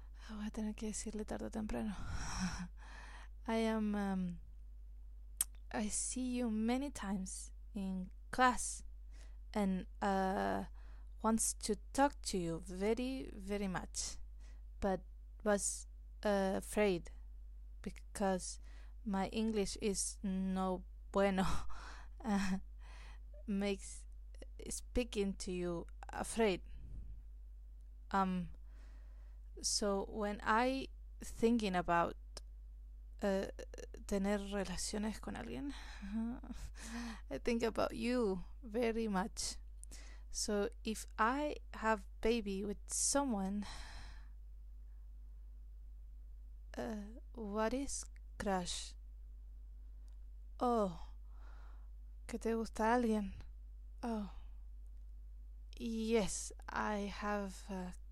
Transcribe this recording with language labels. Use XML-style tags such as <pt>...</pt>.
<es>Voy a tener que decirle tarde o temprano.</es> <en>I see you many times in class and wants to talk to you very, very much, but was afraid because my English is</en> <es>no bueno.</es> <en>Makes speaking to you afraid. So when I thinking about</en> <es>tener relaciones con alguien,</es> <en>I think about you very much. So if I have baby with someone, what is crush?</en> <es>Oh, que te gusta alguien.</es> <en>Oh, yes, I have a</en>